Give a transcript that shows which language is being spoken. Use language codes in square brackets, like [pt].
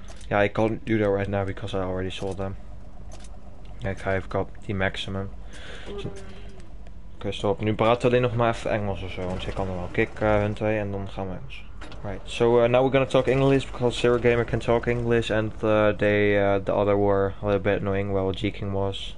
[en] Yeah, I can't do that right now because I already sold them. Like, I've got the maximum. Okay, stop. [nl] Nu praat alleen nog maar even Engels of zo, want ik kan er wel kicken, hun twee, en dan gaan we Engels. [en] Right, so now we're gonna talk English because Zero Gamer can talk English and the other were a little bit annoying while G-King was.